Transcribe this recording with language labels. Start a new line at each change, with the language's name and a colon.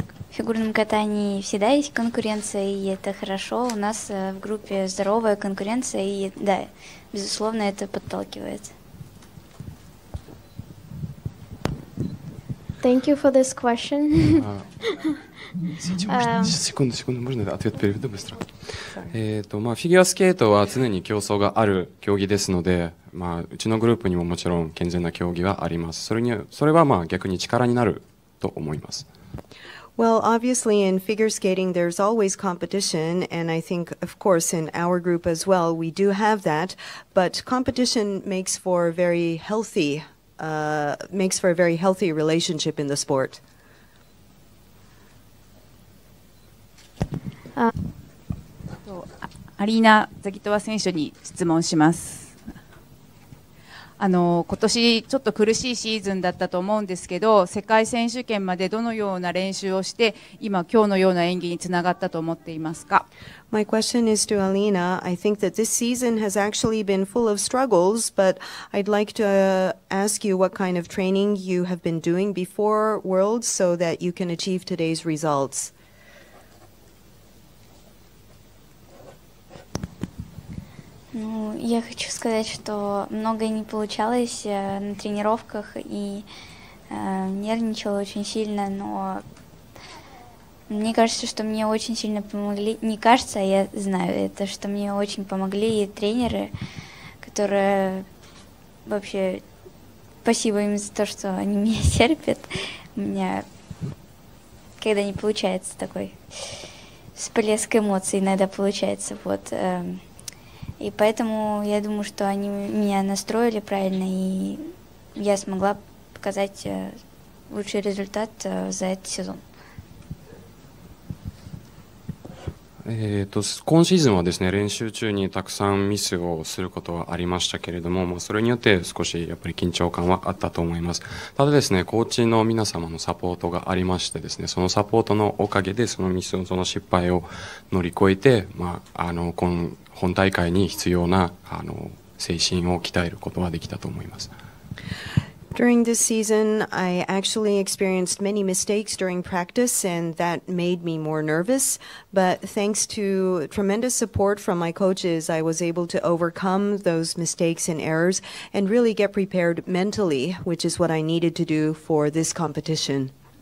Russian: В фигурном катании всегда есть конкуренция, и это хорошо. У нас в группе здоровая конкуренция, и да, безусловно, это подталкивает.
English: Thank you for this question.
Russian: секунду, можно ответ переведу быстро?
Japanese: フィギュアスケートは常に競争がある競技ですので、うちのグループにももちろん健全な競技はあります。それは逆に力になると思います。
English: Well, obviously in figure skating, there's always competition. And I think, of course, in our group as well, we do have that. But competition makes for a very healthy relationship in the sport.
Japanese: アリーナ・ザギトワ選手に質問します。今年ちょっと苦しいシーズンだったと思うんですけど、世界選手権までどのような練習をして、今日のような演技につながったと思っていますか。
English: My question is to Alina. I think that this season has actually been full of struggles, but I'd like to ask you what kind of training you have been doing before Worlds so that you can achieve today's results.
Russian: Я хочу сказать, что многое не получалось на тренировках и нервничала очень сильно, но мне кажется, что мне очень сильно помогли, не кажется, а я знаю это, что мне очень помогли тренеры, которые вообще, спасибо им за то, что они меня терпят, у меня когда не получается такой всплеск эмоций иногда получается, вот... И поэтому я думаю, что они меня настроили правильно, и я смогла показать лучший результат за этот сезон.
Japanese: 今シーズンはですね、練習中にたくさんミスをすることはありましたけれども、それによって少しやっぱり緊張感はあったと思います。ただですね、コーチの皆様のサポートがありましてですね、そのサポートのおかげでそのミスの、その失敗を乗り越えて、この本大会に必要な精神を鍛えることはできたと思います。
English: During this season, I actually experienced many mistakes during practice, and that made me more nervous. But thanks to tremendous support from my coaches, I was able to overcome those mistakes and errors and really get prepared mentally, which is what I needed to do for this competition.